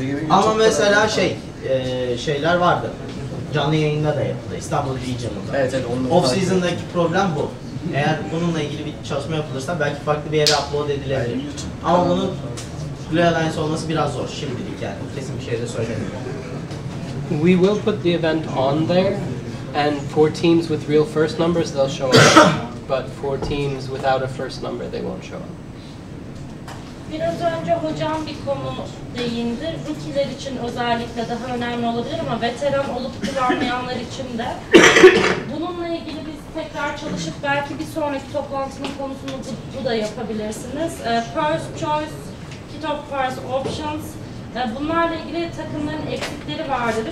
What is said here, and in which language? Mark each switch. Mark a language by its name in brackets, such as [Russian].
[Turkish] Ama mesela şeyler vardı. Canlı yayında da yapıldı, İstanbul Region'da. Evet, evet, onun off-season'daki problem bu. Eğer bununla ilgili bir çalışma yapılırsa belki farklı bir yere upload edilebilir. Yani ama bunu Blue Alliance olması biraz zor şimdilik yani. Kesin bir şey de söylemiyorum. [English] We will put the event on there and for teams with real first numbers they'll show up. But for teams without a first number they won't show up. [Turkish] Biraz önce hocam bir konu değindi. Rookie'ler için özellikle daha önemli olabilir ama veteran olup kıranmayanlar için de. Bununla ilgili biz tekrar çalışıp belki bir sonraki toplantının konusunu bu da yapabilirsiniz. [English] First choice, kit of first options. [Turkish] Bunlarla ilgili takımların eksikleri vardır.